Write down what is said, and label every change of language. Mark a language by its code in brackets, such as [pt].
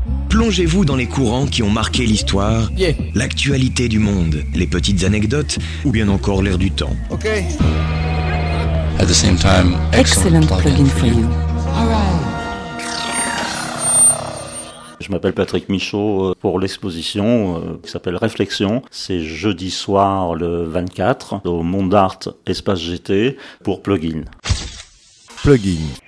[fr] Plongez-vous dans les courants qui ont marqué l'histoire, l'actualité du monde, les petites anecdotes ou bien encore l'air du temps. Ok. [en] At the same time, excellent plugin for you. [fr] Je m'appelle Patrick Michault pour l'exposition qui s'appelle Réflexions. C'est jeudi soir le 24 au Monde Art Espace GT pour Plugin. Plugin.